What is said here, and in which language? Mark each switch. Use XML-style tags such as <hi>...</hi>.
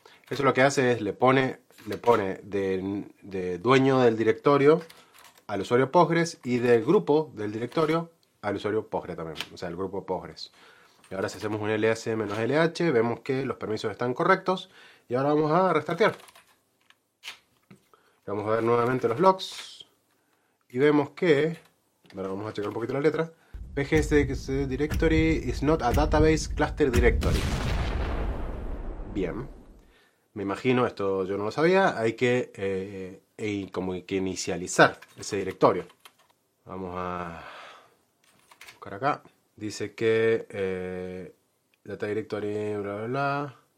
<es>eso lo que hace es le pone de dueño del directorio al usuario Postgres y del grupo del directorio al usuario Postgres también, o sea, el grupo Postgres. Y ahora si hacemos un ls-lh, vemos que los permisos están correctos. Y ahora vamos a restartear. Vamos a ver nuevamente los logs. Y vemos que, bueno, vamos a checar un poquito la letra.</es> <en>PGSQL directory is not a database cluster directory.</en> <es>Bien. Me imagino, esto yo no lo sabía, hay que como que inicializar ese directorio. Vamos a acá, dice que data directory, bla bla bla.</es>